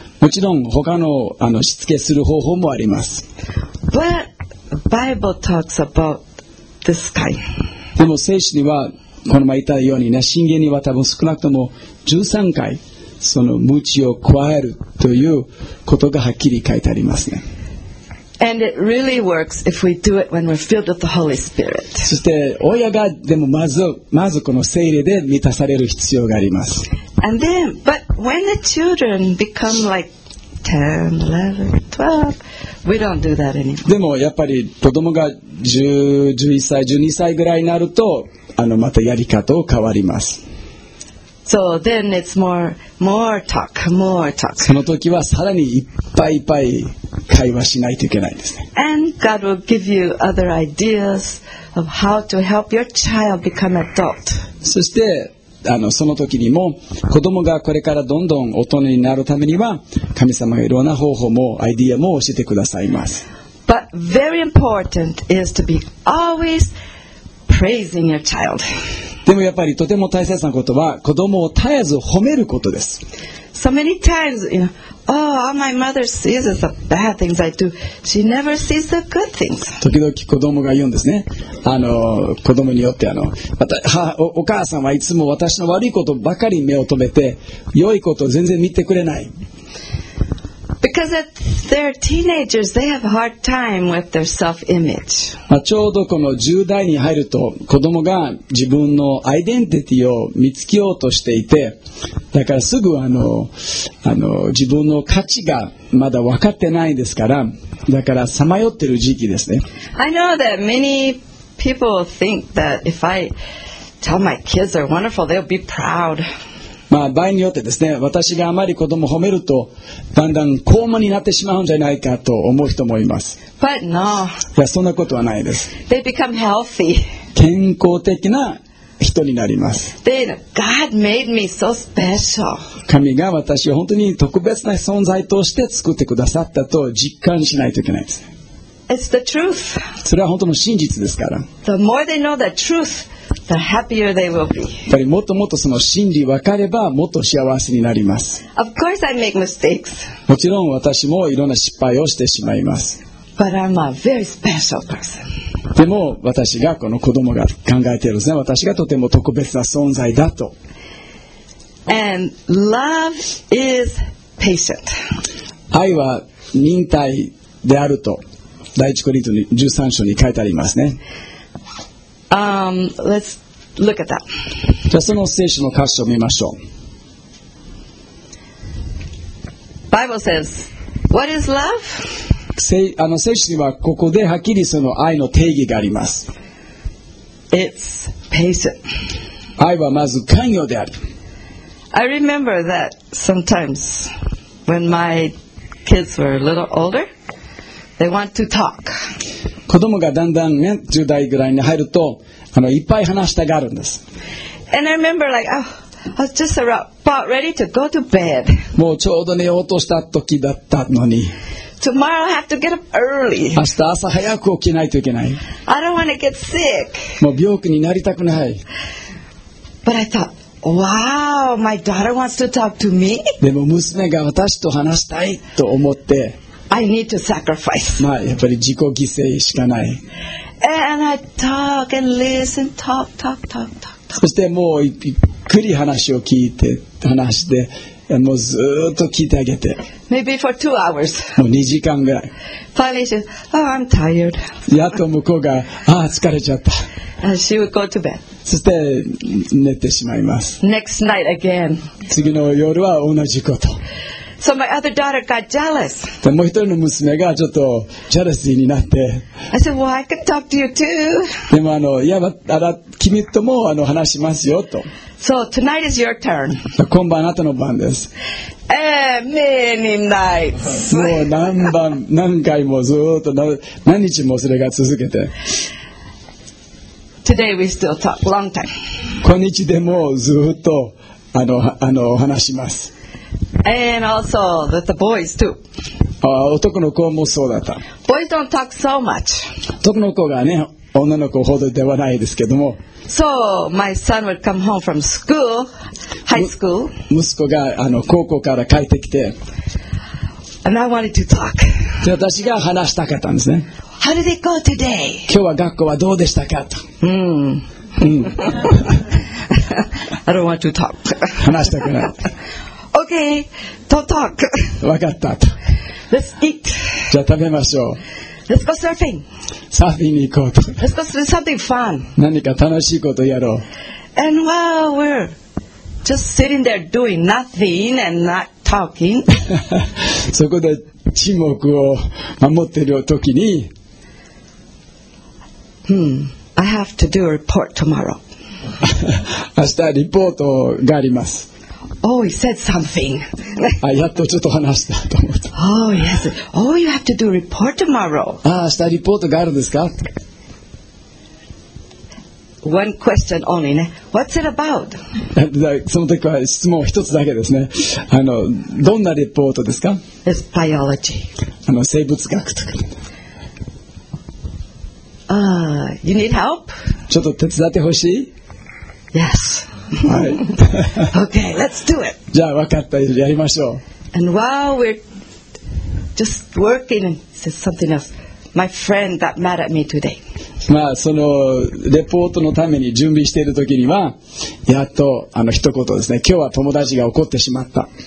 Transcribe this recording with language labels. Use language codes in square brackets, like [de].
[ja] もちろん他 の, しつけする方法もあります [en] But,Bible talks about this kind. [ja] でも聖書にはこの前言ったようにね、箴言には多分少なくとも13回その鞭を加えるということがはっきり書いてありますね。 [en] And it really works if we do it when we're filled with the Holy Spirit. [ja] そして親がでもまずこの聖霊で満たされる必要があります。 [en] And then, but when the children become like 10, 11, 12, we don't do that anymore. [ja] でもやっぱり子供が11歳、12歳ぐらいになるとまたやり方を変わります。 [en] So then it's more talk, more talk. [ja] その時はさらにいっぱいいっぱい会話しないといけないんですね。 [en] And God will give you other ideas of how to help your child become adult. [ja] そしてその時にも子供がこれからどんどん大人になるためには神様がいろんな方法もアイディアも教えてくださいます [en] But very important is to be always praising your child. [ja] でもやっぱりとても大切なことは子供を絶えず褒めることです [en] So many times, you know, oh, all my mother sees is the bad things I do. She never sees the good things. [ja] 時々子供が言うんですね。子供によってお母さんはいつも私の悪いことばかり目を留めて、良いことを全然見てくれない。 [en] Because they're teenagers, they have a hard time with their self-image. [ja] ちょうどこの10代に入ると、子供が自分のアイデンティティを見つけようとしていて、だからすぐ自分の価値がまだ分かってないですから、だからさまよってる時期ですね。 [en] I know that many people think that if I tell my kids they're wonderful, they'll be proud. [ja] まあ、場合によってですね、私があまり子供を褒めると、だんだん高慢になってしまうんじゃないかと思う人もいます。 [en] But no. [ja] いや、そんなことはないです。 [en] They become healthy. [ja] 健康的な人になります。 [en] They, God made me so special. [ja] 神が私を本当に特別な存在として作ってくださったと実感しないといけないです。 [en] It's the truth. [ja] それは本当の真実ですから。 [en] The more they know the truth,The happier they will be. [ja] やっぱりもっともっとその真理分かればもっと幸せになります [en] of course I make mistakes. [ja] もちろん私もいろんな失敗をしてしまいます [en] But I'm a very special person. [ja] でも私がこの子供が考えているんですね私がとても特別な存在だと [en] And love is patient. [ja] 愛は忍耐であると第一コリントに13章に書いてありますね [en] Let's look at that. [ja] じゃあその聖書の箇所を見ましょう。 [en] Bible says, "What is love?" [ja] 聖書にはここではっきりその愛の定義があります。 [en] It's patient. [ja] 愛はまず寛容である。 [en] I remember that sometimes when my kids were a little older, they want to talk. [ja] 子供がだんだん、ね、10代ぐらいに入るといっぱい話したがるんです。 [en] And I remember like, oh, I was just about ready to go to bed. [ja] もうちょうど寝ようとした時だったのに。 [en] Tomorrow I have to get up early. [ja] 明日朝早く起きないといけない。 [en] I don't want to get sick. [ja] もう病気になりたくない。 [en] But I thought, wow, my daughter wants to talk to me. [ja] でも娘が私と話したいと思って、 [en] I need to sacrifice. [ja] まあ、やっぱり自己犠牲しかない。 [en] And I talk and listen, talk. [ja] そしてもうゆっくり話を聞いて、話して、もうずっと聞いてあげて。 [en] Maybe for 2 hours. [ja] もう2時間ぐらい。 [en] Finally she says, oh, I'm tired. [ja] やっと向こうが、ああ、疲れちゃった。 [en] And she would go to bed. [ja] そして寝てしまいます。 [en] Next night again. [ja] 次の夜は同じこと。 [en] So my other daughter got jealous. [ja] でもう一人の娘がちょっとジェラシーになって。 [en] I said, well, I can talk to you too. [ja] でもいや、君とも話しますよと。 [en] So tonight is your turn. [ja] 今晩あなたの番です。 [en] Many nights. [ja] もう何番何回もずっと 何日もそれが続けて。 [en] Today we still talk long time. [ja] 今日でもずっとあの話します。 [en] And also that the boys too. [ja] 男の子もそうだった。 [en] Boys don't talk so much. [ja] 男の子がね、女の子ほどではないですけども。 [en] So my son would come home from school, high school. [ja] 息子が高校から帰ってきて。 [en] And I wanted to talk. [ja] で、私が話したかったんですね。 [en] How did it go today? [ja] 今日は学校はどうでしたかと。 [en] I don't want to talk. [ja] 話したくない。 [en] Okay, don't talk. [ja] わかったと。 [en] Let's eat. [ja] じゃあ食べましょう。 [en] Let's go surfing. [ja] サーフィンに行こうと。 [en] Let's go do something fun. [ja] 何か楽しいことやろう。 [en] And while we're just sitting there doing nothing and not talking, [ja] そこで沈黙を守っている時に、 [en] I have to do a report tomorrow. [ja] 明日リポートがあります。 [en] Oh, he said something. [ja] あ、やっとちょっと話したと思った。 [en] Oh, yes. Oh, you have to do report tomorrow. [ja] あ、明日リポートがあるんですか? [en] One question only, ね。What's it about? [ja] その時は質問一つだけですね。どんなリポートですか? [en] It's biology. [ja] 生物学とか。 [en] You need help? [ja] ちょっと手伝ってほしい? [en] Yes. [ja] はい、 [en] okay, let's do it. [ja] じゃあ分かった、やりましょう。 [en] And while we're just working, says something else. My friend got mad at me today. [ja] まあそのレポートのために準備している時にはやっと一言ですね。今日は友達が怒ってしまった。